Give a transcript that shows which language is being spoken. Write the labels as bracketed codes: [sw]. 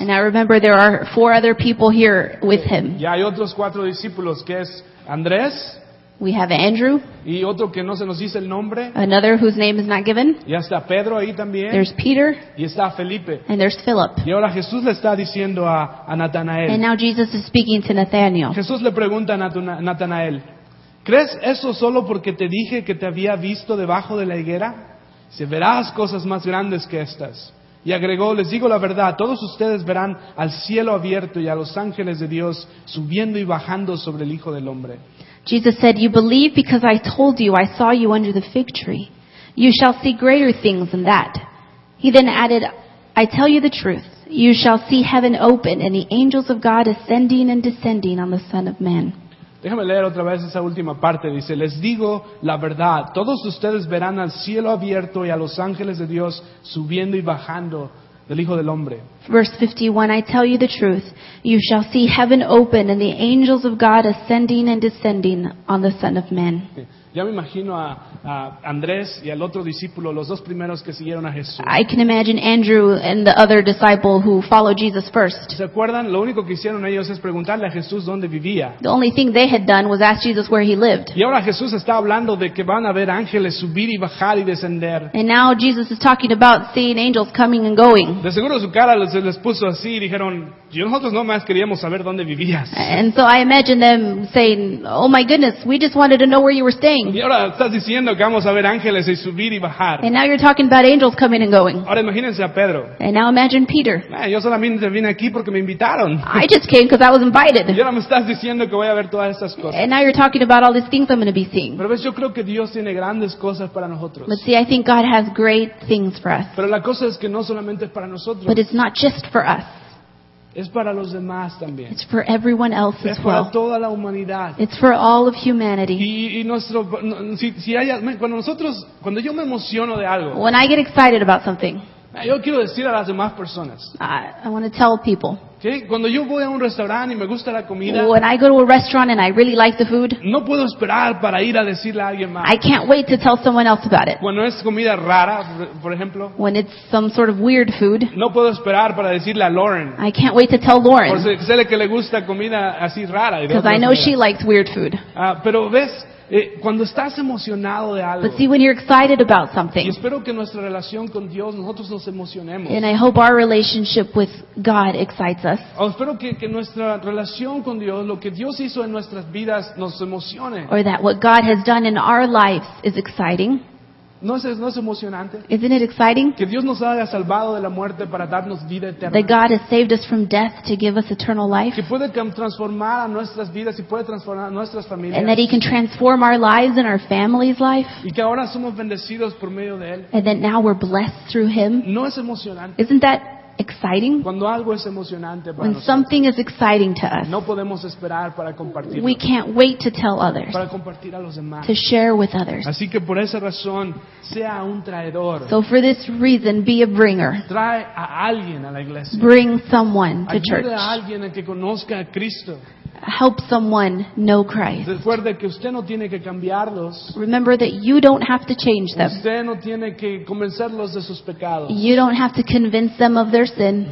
[en] And I remember there are four other people here with him. [es] Ya hay otros cuatro discípulos, que es Andrés. [en] We have Andrew. [es] Y otro que no se nos dice el nombre. [en] Another whose name is not given. [es] Y está Pedro ahí también. [en] There's Peter. [es] Y está Felipe. [en] And there's Philip. [es] Y ahora Jesús le está diciendo a Natanael. [en] And now Jesus is speaking to Nathanael. [es] Jesús le pregunta a Natanael, ¿crees eso solo porque te dije que te había visto debajo de la higuera? Se verás cosas más grandes que estas. Y agregó, les digo la verdad, todos ustedes verán al cielo abierto y a los ángeles de Dios subiendo y bajando sobre el Hijo del Hombre. [en] Jesus said, you believe because I told you I saw you under the fig tree. You shall see greater things than that. He then added, I tell you the truth. You shall see heaven open and the angels of God ascending and descending on the Son of Man. [es] Déjame leer otra vez esa última parte. Dice, les digo la verdad. Todos ustedes verán al cielo abierto y a los ángeles de Dios subiendo y bajando del Hijo del Hombre. [en] Verse 51, I tell you the truth. You shall see heaven open and the angels of God ascending and descending on the Son of Man. [es] Ya me imagino a Andrés y al otro discípulo, los dos primeros que siguieron a Jesús. [en] I can imagine Andrew and the other disciple who followed Jesus first. [es] ¿Se acuerdan? Lo único que hicieron ellos es preguntarle a Jesús dónde vivía. [en] The only thing they had done was ask Jesus where he lived. [es] Y ahora Jesús está hablando de que van a ver ángeles subir y bajar y descender. [en] And now Jesus is talking about seeing angels coming and going. [es] De seguro su cara les puso así y dijeron, y nosotros no más queríamos saber dónde vivías. [en] And so I imagine them saying, oh my goodness, we just wanted to know where you were staying. [es] Y ahora estás diciendo que vamos a ver ángeles y subir y bajar. [en] And now you're talking about angels coming and going. [es] Ahora imagínense a Pedro. [en] And now imagine Peter. [es] Yo solamente vine aquí porque me invitaron. [en] I just came because I was invited. [es] Y ahora me estás diciendo que voy a ver todas estas cosas. [en] And now you're talking about all these things I'm going to be seeing. [es] Pero ves, yo creo que Dios tiene grandes cosas para nosotros. [en] But see, I think God has great things for us. [es] Pero la cosa es que no solamente es para nosotros. [en] But it's not just for us. [es] Es para los demás también. [en] It's for everyone else [es] es [en] as well. [es] Para toda la humanidad. [en] It's for all of humanity. [es] Y nuestro, si hay, cuando nosotros, cuando yo me emociono de algo. [en] When I get excited about something. [es] Yo quiero decir a las demás personas. [en] I want to tell people. [es] ¿Sí? Cuando yo voy a un restaurante y me gusta la comida. [en] When I go to a restaurant and I really like the food. [es] No puedo esperar para ir a decirle a alguien más. [en] I can't wait to tell someone else about it. [es] Cuando es comida rara, por ejemplo. [en] When it's some sort of weird food. [es] No puedo esperar para decirle a Lauren. [en] I can't wait to tell Lauren. [es] Porque sé que le gusta comida así rara. [en] Because I know she likes weird food. [es] Pero ves. Cuando estás emocionado de algo. [en] But see, when you're excited about something. [es] Y espero que nuestra relación con Dios, nosotros nos emocionemos. [en] And I hope our relationship with God excites us. [es] O espero que nuestra relación con Dios, lo que Dios hizo en nuestras vidas, nos emocione. [en] Or that what God has done in our lives is exciting. [es] ¿No es emocionante? [en] Isn't it exciting? [es] Que Dios nos haya salvado de la muerte para darnos vida eterna. [en] That God has saved us from death to give us eternal life. [es] Que puede transformar a nuestras vidas y puede transformar a nuestras familias. [en] And that He can transform our lives and our family's life. [es] Y que ahora somos bendecidos por medio de Él. [en] And that now we're blessed through Him. [es] ¿No es emocionante? [en] Isn't that exciting? [es] Cuando algo es emocionante para [en] when [es] nosotros, [en] something is exciting to us, [es] no podemos esperar para compartirlo. [en] We can't wait to tell others, [es] para compartir a los demás, [en] to share with others. [es] Así que por esa razón, sea un traidor. [en] So for this reason, be a bringer. [es] Trae a alguien a la iglesia. [en] Bring someone to church. [es] Ayude a alguien a que conozca a Cristo. [en] Help someone know Christ. [es] Recuerde que usted no tiene que cambiarlos. [en] Remember that you don't have to change them. [es] Usted no tiene que convencerlos de sus pecados. [en] You don't have to convince them of their sin.